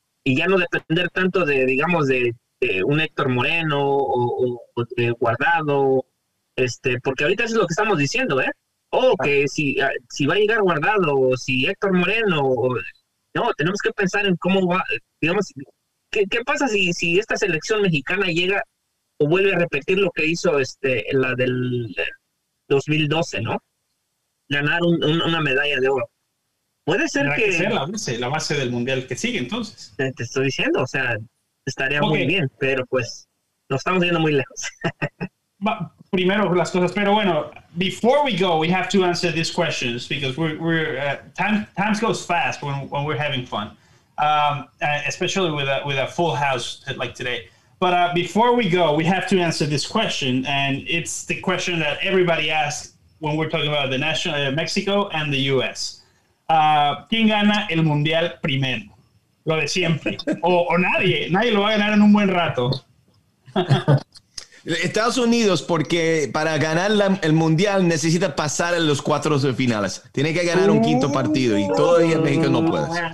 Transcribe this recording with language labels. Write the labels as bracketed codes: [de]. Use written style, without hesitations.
[es] Y ya no depender tanto de un Héctor Moreno o de Guardado, porque ahorita eso es lo que estamos diciendo, que si va a llegar Guardado o si Héctor Moreno, no, tenemos que pensar en cómo va, digamos, qué pasa si esta selección mexicana llega o vuelve a repetir lo que hizo la del 2012, ¿no? Ganar una medalla de oro. Puede ser que sea la base del mundial que sigue, entonces. Te estoy diciendo, o sea, estaría okay. Muy bien, pero pues nos estamos yendo muy lejos. Primero las cosas, pero bueno, [en] before we go, we have to answer these questions because times goes fast when we're having fun, especially with a full house like today. But before we go, we have to answer this question, and it's the question that everybody asks when we're talking about the national Mexico and the U.S. [es] ¿Quién gana el mundial primero? Lo de siempre. o nadie lo va a ganar en un buen rato. Estados Unidos, porque para ganar el Mundial necesita pasar a los cuartos de finales. Tiene que ganar un quinto partido y todavía México no puede.